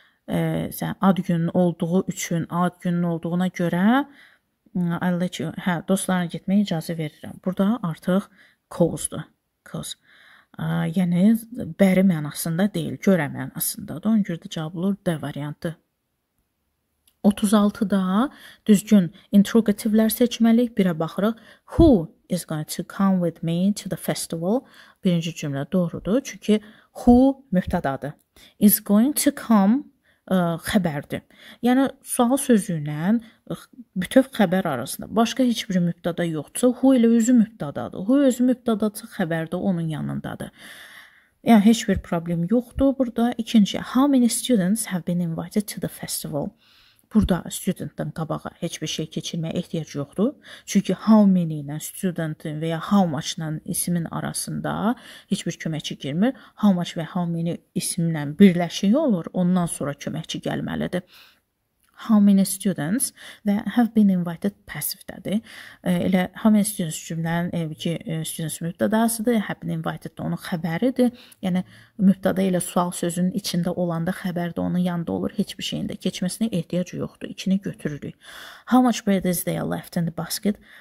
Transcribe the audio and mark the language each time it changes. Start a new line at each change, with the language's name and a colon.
Azerbaijani: Sən ad günün olduğu üçün, ad günün olduğuna görə
English: I let you,
Azerbaijani: hə, dostlarına getməyə icazə verirəm. Burada artıq cause-dur, cause. Yəni, bəri mənasında deyil, görə mənasındadır. Onun görə də cavab olur D variantı. 36-da düzgün interrogativlər seçməliyik. Birə baxırıq.
English: Who is going to come with me to the festival?
Azerbaijani: Birinci cümlə doğrudur. Çünki who mübtədadır.
English: Is going to come
Azerbaijani: xəbərdir. Yəni, sual sözüylə bütöv xəbər arasında başqa heç bir mübtada yoxdursa, who ilə özü mübtadadır. Who özü mübtadadır, xəbərdir, onun yanındadır. Yəni, heç bir problem yoxdur burada.
English: İkinci, how many students have been invited to the festival?
Azerbaijani: Burada studentdən qabağa heç bir şey keçirməyə ehtiyac yoxdur. Çünki how many ilə studentin və ya how much ilə ismin arasında heç bir köməkçi girmir. How much və how many isimlə birləşik olur, ondan sonra köməkçi gəlməlidir.
English: How many students that have been invited passive-dədir.
Azerbaijani: Elə
English: how many students
Azerbaijani: cümlənin ki, students mübtədasıdır,
English: have been invited-
Azerbaijani: də onun xəbəridir. Yəni, mübtəda ilə sual sözünün içində olanda xəbər də onun yanında olur. Heç bir şeyində keçməsinə ehtiyac yoxdur. İkini götürürük.
English: How much bread is there left in the basket?